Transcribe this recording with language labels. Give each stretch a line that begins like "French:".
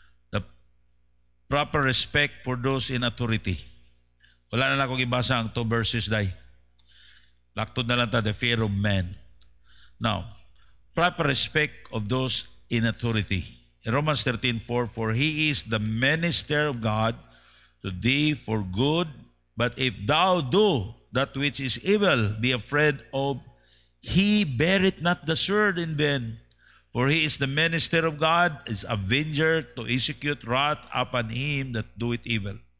English: The proper respect for those in authority.
Cebuano: Wala na lang akong ibasa ang 2 verses, day. Laktod na lang ta,
English: the fear of man. Now, proper respect of those in authority. In Romans 13:4, for he is the minister of God to thee for good, but if thou do that which is evil, be afraid of he beareth not the sword in vain, for he is the minister of God, is avenger to execute wrath upon him that doeth evil.